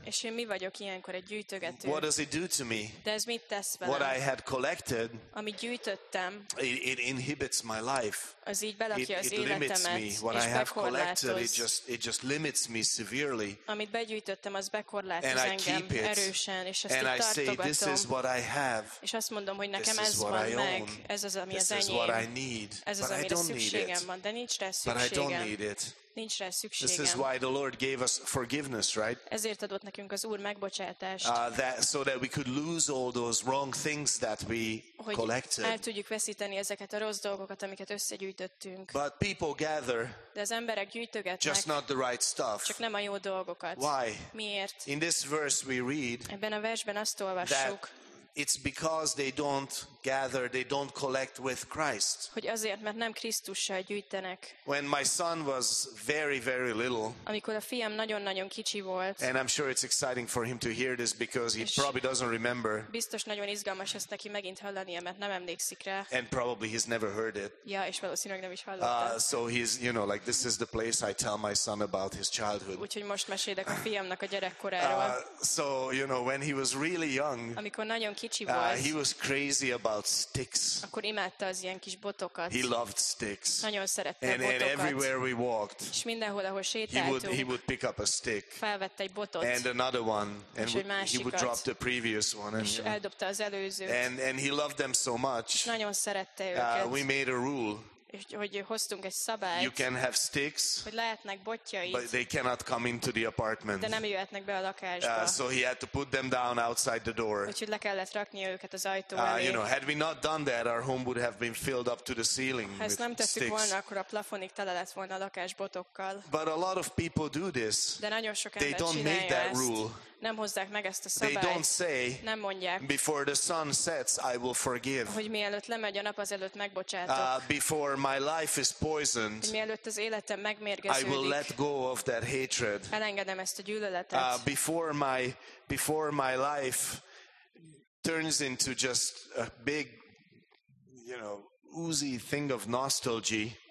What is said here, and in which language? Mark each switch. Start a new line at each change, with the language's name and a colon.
Hungarian: És én mi vagyok ilyenkor, egy gyűjtögető.
English: What does it do to me?
Hungarian: De ez mit tesz velem?
English: What I had collected,
Hungarian: amit gyűjtöttem,
English: it inhibits my life.
Hungarian: Az így belakja az életemet.
English: It limits me. What I have collected, it just limits me severely.
Hungarian: Amit begyűjtöttem, az bekorlátoz engem erősen, és azt itt tartogatom.
English: And I say, this is what I have.
Hungarian: És azt mondom, hogy nekem ez van meg. Ez az, ami az enyém.
English: This is what I need.
Hungarian: Ez az, amire szükségem van. De nincs rá szükségem.
English: But I don't need it.
Hungarian: Nincs rá szükségem.
English: This is why the Lord gave us forgiveness, right?
Hungarian: Ezért adott nekünk az Úr megbocsátást.
English: So that we could lose all those wrong things that we collected.
Hungarian: El tudjuk veszíteni ezeket a rossz dolgokat, amiket összegyűjtöttünk.
English: But people gather.
Hungarian: De az emberek gyűjtögetnek.
English: Just not the right stuff.
Hungarian: Csak nem a jó dolgokat.
English: Why?
Hungarian: Miért?
English: In this verse we read.
Hungarian: Ebben a versben azt olvassuk.
English: It's because they don't gather, they don't collect with Christ.
Hungarian: Hogy azért, mert nem Krisztussal gyűjtenek.
English: When my son was very, very little.
Hungarian: Amikor a fiam nagyon-nagyon kicsi volt.
English: And I'm sure it's exciting for him to hear this because he probably doesn't remember.
Hungarian: Biztos nagyon izgalmas ezt neki megint hallania, mert nem emlékszik rá.
English: And probably he's never heard it.
Hungarian: Ja, és valószínűleg nem is hallotta.
English: So he's, you know, like this is the place I tell my son about his childhood.
Hungarian: Úgyhogy most mesélek a fiamnak a gyerekkoráról.
English: So, you know, when he was really young.
Hungarian: Amikor nagyon kicsi volt.
English: He was crazy about about sticks.
Hungarian: Akkor imádta az ilyen kis botokat.
English: He loved sticks.
Hungarian: Nagyon szerette botokat.
English: And everywhere we walked.
Hungarian: És mindenhol, ahol sétáltunk.
English: He would pick up a stick.
Hungarian: Felvette egy botot.
English: And another one. And
Hungarian: egy másikat.
English: He would drop the previous one.
Hungarian: És eldobta az előzőt.
English: And he loved them so much.
Hungarian: Nagyon szerette őket.
English: We made a rule.
Hungarian: És hogy hoztunk egy szabályt.
English: You can have sticks.
Hungarian: Hogy lehetnek botjait.
English: But they cannot come into the apartment.
Hungarian: De nem jöhetnek be a lakásba.
English: So he had to put them down outside the door.
Hungarian: Úgyhogy le kellett rakni őket az ajtó elé.
English: You know, had we not done that, our home would have been filled up to the ceiling.
Hungarian: Ha ezt nem tettük volna, akkor a plafonig tele lett volna a lakás botokkal.
English: But a lot of people do this.
Hungarian: De nagyon sok ember
English: they don't make that rule.
Hungarian: Nem hozzák meg ezt a szabályt.
English: They don't say,
Hungarian: nem mondják.
English: Before the sun sets, I will forgive.
Hungarian: Hogy mielőtt lemegy a nap, az előtt megbocsátok.
English: Before my life is poisoned,
Hungarian: mielőtt az életem megmérgeződik.
English: I will let go of that hatred.
Hungarian: Elengedem ezt a gyűlöletet.
English: Before my life turns into just a big, you know, oozy thing of nostalgia.